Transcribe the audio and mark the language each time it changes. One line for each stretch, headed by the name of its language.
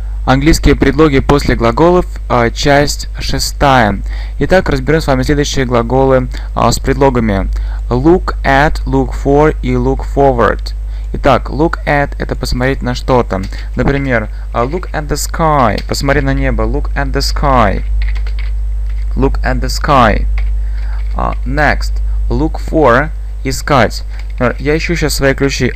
Russian: Английские предлоги после глаголов, часть шестая. Итак, разберем с вами следующие глаголы с предлогами.
English: Look at, look for и look forward.
Russian: Итак,
English: look at
Russian: – это посмотреть на что-то. Например,
English: look at the sky
Russian: – посмотри на небо.
English: Look at the sky. Look at the sky. Next, look for
Russian: – искать. Я ищу сейчас свои ключи.